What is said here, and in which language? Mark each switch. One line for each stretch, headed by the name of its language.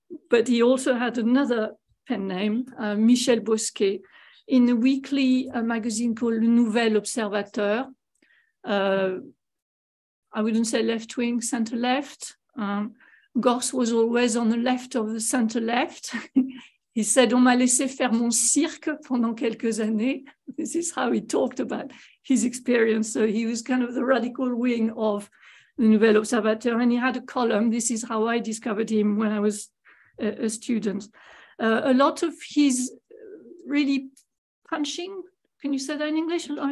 English: but he also had another pen name, Michel Bosquet, in a weekly magazine called Le Nouvel Observateur. I wouldn't say left wing, center left. Gorz was always on the left of the center left.
French: He said, on m'a laissé faire mon cirque pendant quelques années.
English: This is how he talked about his experience. So he was kind of the radical wing of Le Nouvel Observateur. And he had a column. This is how I discovered him when I was a student. A lot of his really punching, can you say that in English?